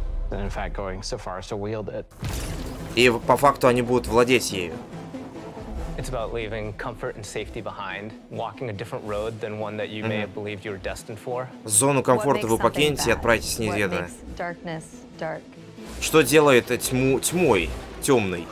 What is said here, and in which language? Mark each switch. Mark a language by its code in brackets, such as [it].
[en] And in fact, going so far as to wield it. [ru] И по факту они будут владеть ею. [en] It's about leaving comfort and safety behind, walking a different road than one that you may have believed you were destined for. [ru] Зону комфорта вы покинете и отправитесь неизведанно. [en] What makes darkness dark? [ru] Что делает тьму тьмой, темной?